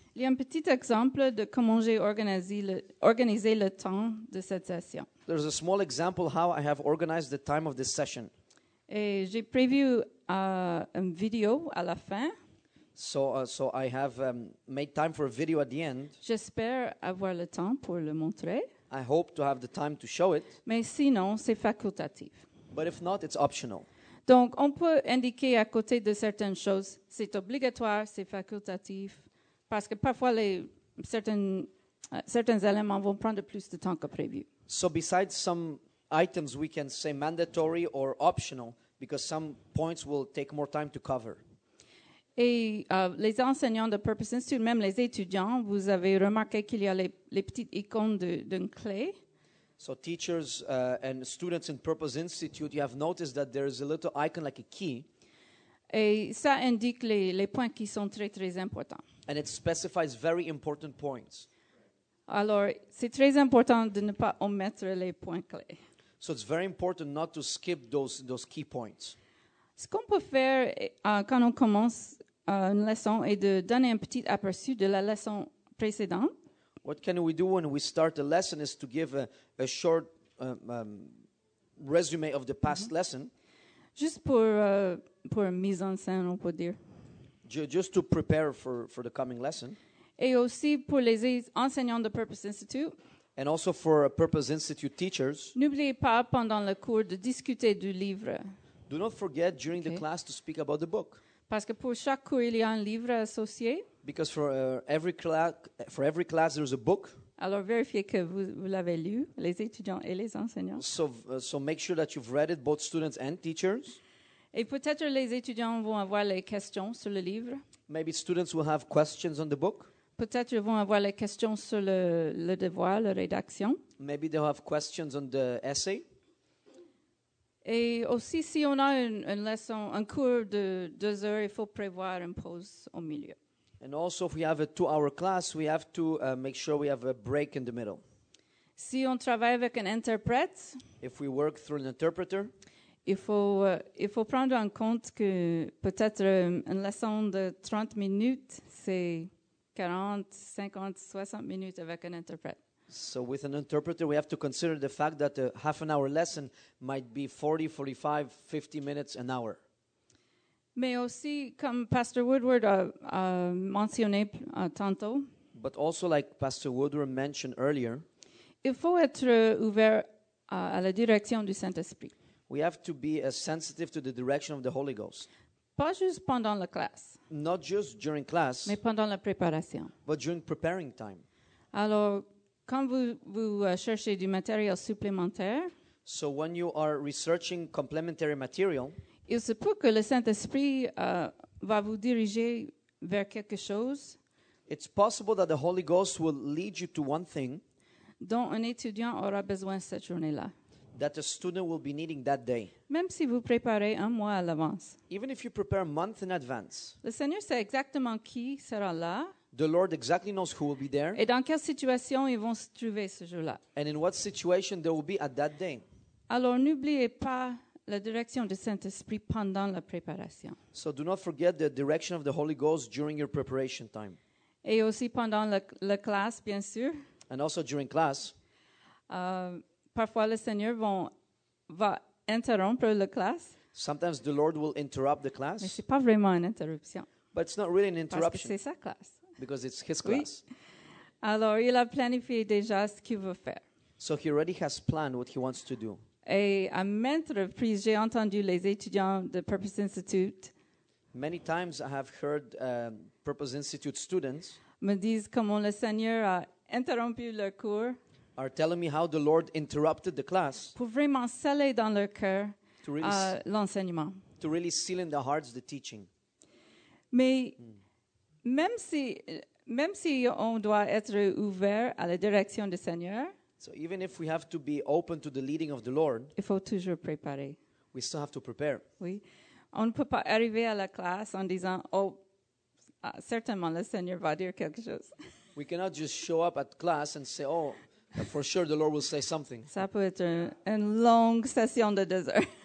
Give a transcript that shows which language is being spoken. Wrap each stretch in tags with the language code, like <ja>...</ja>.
<fr>il y a un petit exemple de comment j'ai organisé le temps de cette session.</fr> <en>There's a small example how I have organized the time of this session.</en> <fr>Et j'ai prévu une vidéo à la fin.</fr> <en>So I have made time for a video at the end.</en> <fr>J'espère avoir le temps pour le montrer.</fr> <en>I hope to have the time to show it.</en> <fr>Mais sinon, c'est facultatif.</fr> <en>But if not, it's optional.</en> <fr>Donc, on peut indiquer à côté de certaines choses, c'est obligatoire, c'est facultatif, parce que parfois, certains éléments vont prendre plus de temps que prévu.</fr> <en>So besides some items, we can say mandatory or optional, because some points will take more time to cover.</en> <fr>Et les enseignants de Purpose Institute, même les étudiants, vous avez remarqué qu'il y a les petites icônes d'une clé.</fr> <en>So teachers and students in Purpose Institute, you have noticed that there is a little icon like a key.</en> <fr>Et ça indique les points qui sont très, très importants.</fr> <en>And it specifies very important points.</en> <fr>Alors, c'est très important de ne pas omettre les points clés.</fr> <en>So it's very important not to skip those key points.</en> <fr>Ce qu'on peut faire quand on commence une leçon est de donner un petit aperçu de la leçon précédente.</fr> <en>What can we do when we start a lesson is to give a short resume of the past mm-hmm. lesson.</en> <fr>Juste pour mise en scène, on peut dire.</fr> <en>Just to prepare for the coming lesson.</en> <fr>Et aussi pour les enseignants de Purpose Institute.</fr> <en>And also for Purpose Institute teachers.</en> <fr>N'oubliez pas pendant le cours de discuter du livre.</fr> <en>Do not forget during okay. the class to speak about the book.</en> <fr>Parce que pour chaque cours, il y a un livre associé.</fr> <en>Because for every class there's a book.</en> <fr>Alors vérifiez que vous l'avez lu, les étudiants et les enseignants.</fr> <en>So make sure that you've read it, both students and teachers.</en> <fr>Et peut-être les étudiants vont avoir les questions sur le livre.</fr> <en>Maybe students will have questions on the book.</en> <fr>Peut-être vont avoir les questions sur le devoir, la rédaction.</fr> <en>Maybe they'll have questions on the essay.</en> <fr>Et aussi, si on a une leçon, un cours de 2 heures, il faut prévoir une pause au milieu.</fr> <en>And also, if we have a two-hour class, we have to make sure we have a break in the middle.</en> <fr>Si on travaille avec un interprète,</fr> <en>if we work through an interpreter,</en> <fr>il faut prendre en compte que peut-être une leçon de 30 minutes, c'est 40, 50, 60 minutes avec un interprète.</fr> <en>So with an interpreter, we have to consider the fact that a half an hour lesson might be 40, 45, 50 minutes, an hour.</en> <fr>Mais aussi, comme Pastor Woodward a mentionné tantôt,</fr> <en>but also like Pastor Woodward mentioned earlier,</en> <fr>il faut être ouvert à la direction du Saint-Esprit.</fr> <en>We have to be sensitive to the direction of the Holy Ghost.</en> <fr>Pas juste pendant la classe.</fr> <en>Not just during class.</en> <fr>Mais pendant la préparation.</fr> <en>But during preparing time.</en> <fr>Alors, quand vous cherchez du matériel supplémentaire,</fr> <en>so when you are researching complementary material,</en> <fr>il se peut que le Saint-Esprit va vous diriger vers quelque chose.</fr> <en>It's possible that the Holy Ghost will lead you to one thing</en> <fr>dont un étudiant aura besoin cette journée-là.</fr> <en>That a student will be needing that day.</en> <fr>Même si vous préparez un mois à l'avance.</fr> <en>Even if you prepare a month in advance.</en> <fr>Le Seigneur sait exactement qui sera là.</fr> <en>The Lord exactly knows who will be there.</en> <fr>Et dans quelle situation ils vont se trouver ce jour-là.</fr> <en>And in what situation they will be at that day.</en> <fr>Alors n'oubliez pas la direction du Saint-Esprit pendant la préparation.</fr> <en>So do not forget the direction of the Holy Ghost during your preparation time.</en> <fr>Et aussi pendant la classe, bien sûr.</fr> <en>And also during class.</en> <fr>Parfois le Seigneur va interrompre la classe.</fr> <en>Sometimes the Lord will interrupt the class.</en> <fr>Mais ce n'est pas vraiment une interruption.</fr> <en>But it's not really an interruption.</en> <fr>Parce que c'est sa classe.</fr> <en>Because it's his class.</en> <fr>Oui. Alors, il a planifié déjà ce qu'il veut faire.</fr> <en>So he already has planned what he wants to do.</en> <fr>Et à maintes reprises, j'ai entendu les étudiants de Purpose Institute.</fr> <en>Many times I have heard Purpose Institute students</en> <fr>me disent comment le Seigneur a interrompu leur cours.</fr> <en>Are telling me how the Lord interrupted the class.</en> <fr>Pour vraiment sceller dans leur cœur l'enseignement.</fr> <en>To really seal in their hearts the teaching.</en> <fr>Mais même si on doit être ouvert à la direction du Seigneur,</fr> <en>so even if we have to be open to the leading of the Lord,</en> <fr>il faut toujours préparer.</fr> <en>We still have to prepare.</en> <fr>Oui. On ne peut pas arriver à la classe en disant, oh, certainement le Seigneur va dire quelque chose.</fr> <en>We cannot just show up at class and say, oh, for sure the Lord will say something.</en> <fr>Ça peut être une longue session de 2 heures.</fr>